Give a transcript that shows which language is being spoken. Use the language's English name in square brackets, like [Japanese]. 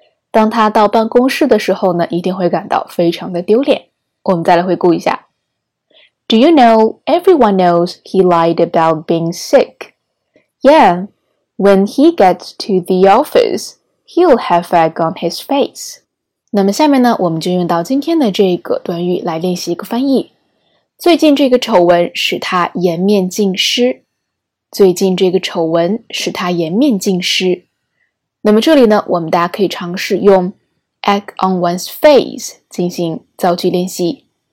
[Chinese] 当他到办公室的时候呢，一定会感到非常的丢脸。我们再来回顾一下。 [English] Do you know everyone knows he lied about being sick? Yeah, when he gets to the office, he'll have egg on his face. [Chinese] 那么下面呢，我们就用到今天的这个短语来练习一个翻译。最近这个丑闻使他颜面尽失。最近这个丑闻使他颜面尽失。那么这里呢，我们大家可以尝试用 [English] egg on one's face [Chinese] 进行造句练习。